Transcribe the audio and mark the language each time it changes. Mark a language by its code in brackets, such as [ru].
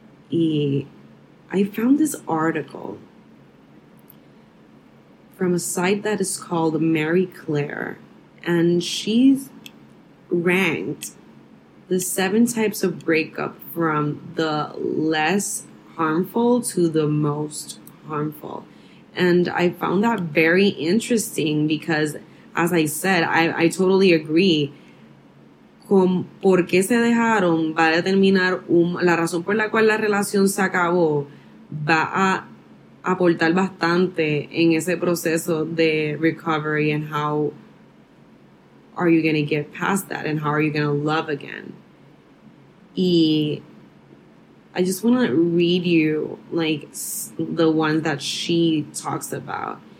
[es] Y [en] I found this article from a site that is called Mary Claire, and she's ranked the 7 types of breakup from the less harmful to the most harmful. And I found that very interesting because, as I said, I totally agree. [es] Con por qué se dejaron va a determinar la razón por la cual la relación se acabó. Va a aportar bastante en ese proceso de [en] recovery and how are you going to get past that and how are you going to love again. [es] Y [en] I just want to read you like the ones that she talks about.